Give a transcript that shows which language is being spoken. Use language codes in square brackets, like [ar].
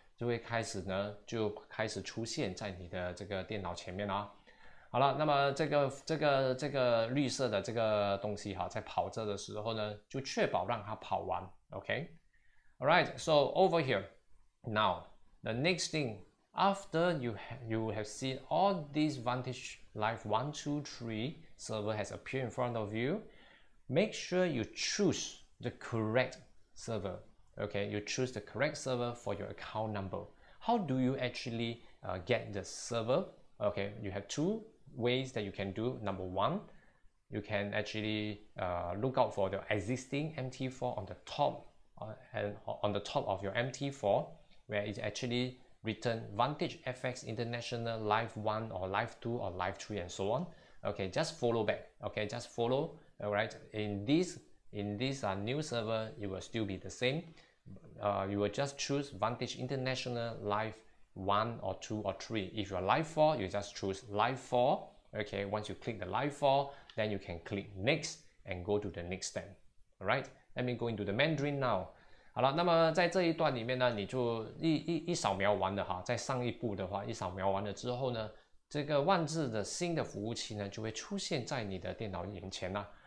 [zh] 就会开始呢，就开始出现在你的这个电脑前面啦。好了，那么这个绿色的这个东西哈，在跑着的时候呢，就确保让它跑完。 [en] OK，All right. So over here, now the next thing after you have seen all these Vantage Live 123 server has appeared in front of you, make sure you choose the correct server. Okay, you choose the correct server for your account number. How do you actually get the server? Okay, you have two ways that you can do. Number one, you can actually look out for the existing MT4 on the top and on the top of your MT4, where it's actually written Vantage FX International Live 1 or Live 2 or Live 3 and so on. Okay, just follow back. Okay, just follow. All right, in this new server, it will still be the same. You will just choose Vantage International Live 1 or 2 or 3. If you are Live 4, you just choose Live 4. Okay, once you click the Live 4, then you can click Next and go to the next step. Alright, let me go into the Mandarin now. [zh] 好了，那么在这一段里面呢，你就一扫描完的哈，在上一步的话，一扫描完了之后呢，这个万字的新的服务器呢，就会出现在你的电脑眼前啦。